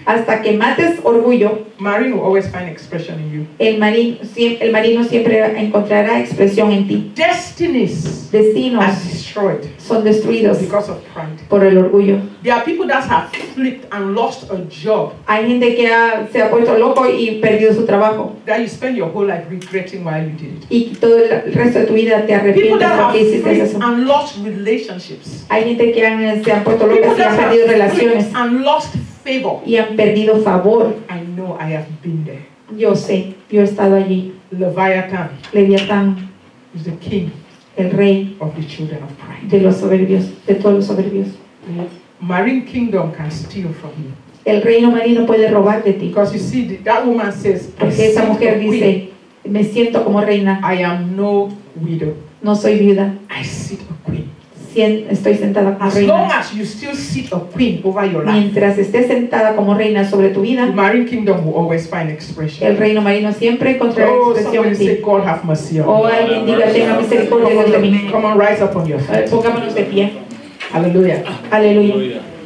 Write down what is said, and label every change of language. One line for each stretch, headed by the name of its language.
Spanish: Hasta que mates orgullo.
English: Marine will always find expression in you.
Spanish: El marino siempre encontrará expresión en ti.
English: Destinies.
Spanish: Destinos.
English: Are destroyed.
Spanish: Son destruidos.
English: Because of pride.
Spanish: Por el orgullo.
English: There are people that have flipped and lost a job.
Spanish: Hay gente que se ha puesto loco y perdido su trabajo.
English: That you spend your whole life regretting why you did it.
Spanish: Y todo el resto de tu vida te arrepientes porque hiciste eso.
English: And lost relationships.
Spanish: Hay gente que se ha puesto loco y ha perdido relaciones.
English: And lost favor.
Spanish: Y han perdido favor.
English: I know I have been there.
Spanish: Yo sé, yo he estado allí.
English: Leviathan.
Spanish: Leviathan.
English: Is the king.
Spanish: El rey.
English: Of the children of pride.
Spanish: De los soberbios, de todos los soberbios.
English: Marine kingdom can steal from you.
Spanish: El reino marino puede robar de ti.
English: Because you see, that woman says,
Spanish: porque esa mujer dice, me siento como reina.
English: I am no widow.
Spanish: No soy viuda.
English: I sit a queen.
Spanish: Estoy sentada como
English: as
Spanish: reina.
English: As long as you still sit a queen over your life.
Spanish: Mientras estés sentada como reina sobre tu vida.
English: The marine kingdom will always find expression.
Spanish: El reino marino siempre encontrará expresión en ti.
English: Oh, somebody say, God have mercy on me.
Spanish: Oh, alguien diga, tenga misericordia de mí.
English: Come on, rise up on your feet.
Spanish: Pongámonos de pie. Aleluya. Aleluya.